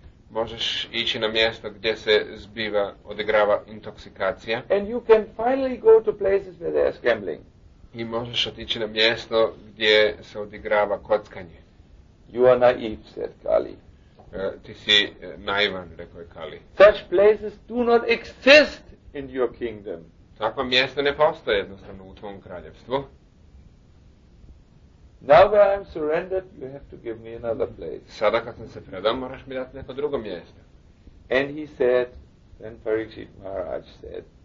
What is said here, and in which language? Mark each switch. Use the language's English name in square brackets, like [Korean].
[Croatian] Možeš ići na mjesto gdje se zbiva, odigrava intoksikacija. [English] And you can finally go to places where there is gambling. [Croatian] I možeš otići na mjesto gdje se odigrava kockanje. [English] You are naive, said Kali. [Croatian] Ti si naivan, rekao je Kali. [English] Such places do not exist in your kingdom. [Croatian] Takva mjesta ne postoje jednostavno u tvom kraljevstvu. [English] Now that I'm surrendered, you have to give me another place. [Croatian] Sada kad sam se predao, moraš mi dati neko drugo mjesto. [English] And he said, then Parikshit Maharaj said.